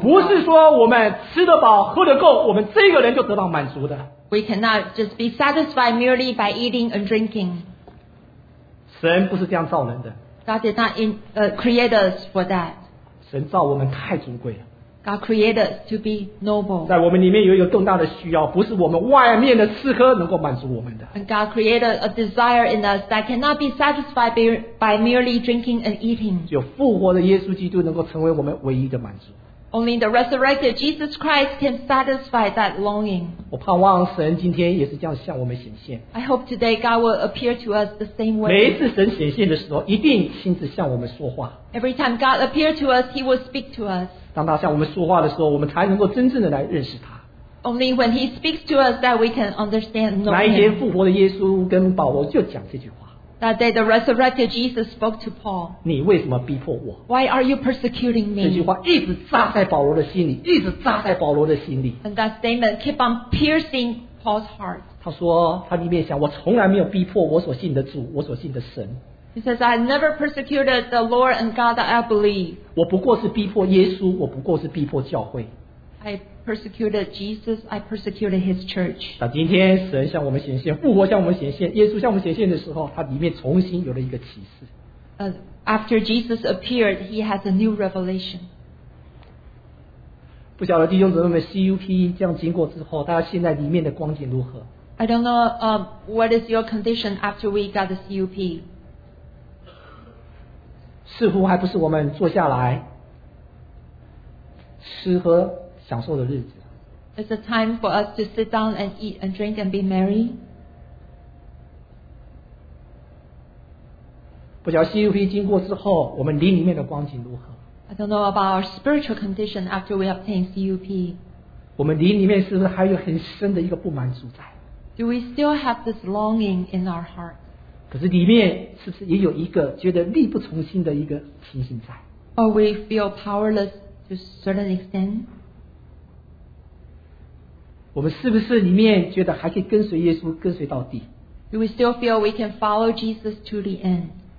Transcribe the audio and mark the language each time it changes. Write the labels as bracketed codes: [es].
[zh] 不是说我们吃得饱喝得够我们这个人就得到满足的。 [en] We cannot just be satisfied merely by eating and drinking. [zh] 神不是这样造人的。 [en] God did not create us for that. [zh] 神造我们太尊贵了。 [en] God created us to be noble. [zh] 在我们里面有一个更大的需要不是我们外面的吃喝能够满足我们的。 [en] And God created a desire in us that cannot be satisfied by merely drinking and eating. [zh] 只有复活的耶稣基督能够成为我们唯一的满足。 [en] Only the resurrected Jesus Christ can satisfy that longing. [zh] 我盼望神今天也是这样向我们显现。 [en] I hope today God will appear to us the same way. [zh] 每一次神显现的时候一定亲自向我们说话。 [en] Every time God appeared to us, he will speak to us. [zh] 当他向我们说话的时候我们才能够真正的来认识他。 [en] Only when he speaks to us that we can understand. [zh] 那一天复活的耶稣跟保罗就讲这句话。 [en] That day the resurrected Jesus spoke to Paul. [zh] 你为什么逼迫我? [en] Why are you persecuting me? [zh] 这句话一直扎在保罗的心里, 一直扎在保罗的心里。 [en] And that statement kept on piercing Paul's heart. [zh] 他说他里面想, 我从来没有逼迫 我所信的主, 我所信的神。 [en] He says, I never persecuted the Lord and God that I believe. [zh] 我不过是逼迫耶稣, 我不过是逼迫教会。 [en] I persecuted Jesus, I persecuted his church. [zh] 那今天神向我们显现, 复活向我们显现, 耶稣向我们显现的时候, 他里面重新有了一个启示。 [en] After Jesus appeared, he has a new revelation. [zh] 不晓得弟兄姊妹们, CUP这样经过之后, 大家现在里面的光景如何? [en] I don't know what is your condition after we got the CUP. [zh] 似乎还不是我们坐下来, 吃喝, [en] Is it time for us to sit down and eat and drink and be merry? [zh] 不晓CUP经过之后, 我们灵里面的光景如何? [en] I don't know about our spiritual condition after we obtain CUP. [zh] 我们灵里面是不是还有很深的一个不满主宰? [en] Do we still have this longing in our heart? [zh] 可是里面是不是也有一个觉得力不从心的一个情形在? [en] Or we feel powerless to a certain extent? [zh] 我们是不是里面觉得还可以跟随耶稣跟随到底? [en] Do we still feel we can follow Jesus to the end?